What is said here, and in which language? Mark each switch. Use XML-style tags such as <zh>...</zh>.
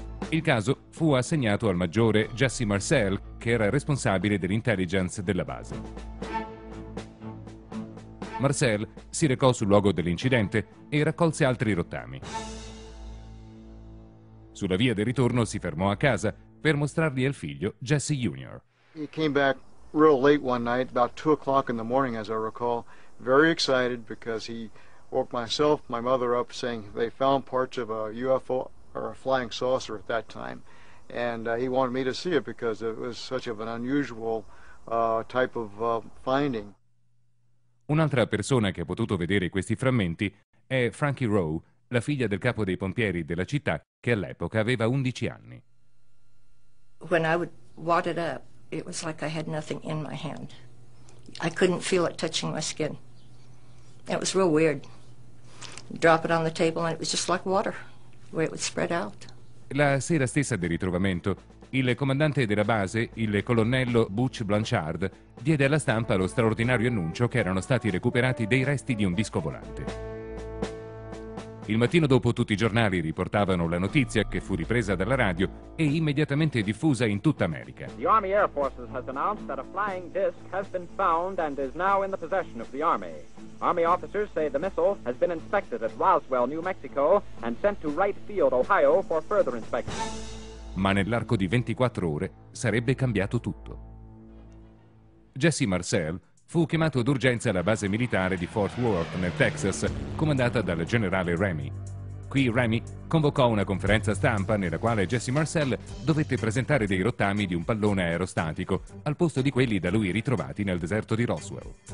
<it>Il caso fu assegnato al maggiore Jesse Marcel, che era responsabile dell'intelligence della base. Marcel si recò sul luogo dell'incidente e raccolse altri rottami. Sulla via del ritorno si fermò a casa per mostrarli al figlio, Jesse Jr.</it> <en>He came back real late one night, about 2 o'clock in the morning, as I recall, very excited because he woke myself, my mother up, saying they found parts of a UFO or a flying saucer at that time, and he wanted me to see it because it was such of an unusual type of finding.</en> <it>Un'altra persona che ha potuto vedere questi frammenti è Frankie Rowe, la figlia del capo dei pompieri della città, che all'epoca aveva 11 anni.</it> <en>When I would wad it up, it was like I had nothing in my hand. I couldn't feel it touching my skin. It was real weird. Drop it on the table and it was just like water, where it would spread out.</en> <it>La sera stessa del ritrovamento, il comandante della base, il colonnello Butch Blanchard, diede alla stampa lo straordinario annuncio che erano stati recuperati dei resti di un disco volante. Il mattino dopo tutti i giornali riportavano la notizia, che fu ripresa dalla radio e immediatamente diffusa in tutta America.</it> <en>The Army Air Forces has announced that a flying disc has been found and is now in the possession of the Army. Army officers say the missile has been inspected at Roswell, New Mexico and sent to Wright Field, Ohio for further inspection.</en> <it>Ma nell'arco di 24 ore sarebbe cambiato tutto. Jesse Marcel fu chiamato d'urgenza alla base militare di Fort Worth, nel Texas, comandata dal generale Remy. Qui Remy convocò una conferenza stampa nella quale Jesse Marcel dovette presentare dei rottami di un pallone aerostatico al posto di quelli da lui ritrovati nel deserto di Roswell.</it>